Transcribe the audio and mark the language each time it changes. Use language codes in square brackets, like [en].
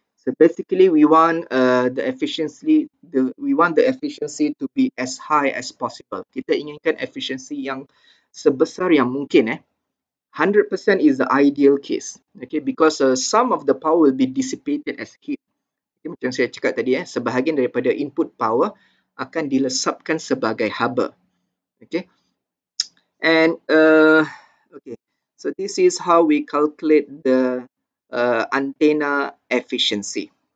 [en] So basically we want the efficiency to be as high as possible. [ms] Kita inginkan efficiency yang sebesar yang mungkin 100% [en] is the ideal case. Okay, because some of the power will be dissipated as heat. [ms] Okay, macam saya cakap tadi sebahagian daripada input power akan dilesapkan sebagai haba. Okay. And okay. [en] So this is how we calculate the antenna efficiency.